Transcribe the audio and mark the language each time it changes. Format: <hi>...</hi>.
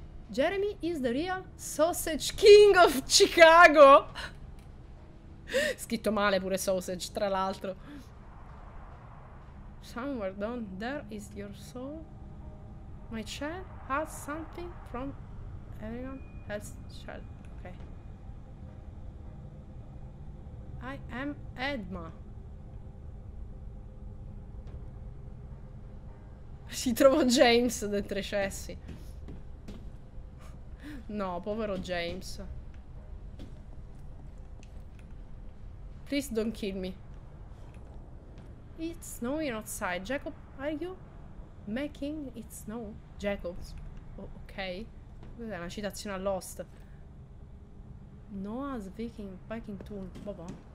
<en>Jeremy is the real sausage king of Chicago.</en> <it>Scritto male pure sausage, tra l'altro.</it> <en>Somewhere down there is your soul. My child has something from everyone else's child. I am Edma.</en> <it>Si trova James dentro i cessi. No, povero James.</it> <en>Please don't kill me. It's snowing outside. Jacob, are you making it snow? Jacob. Oh, ok.</en> <it>Questa è una citazione a Lost.</it> <en>Noah's Viking tool.</en> <it>Bobo.</it>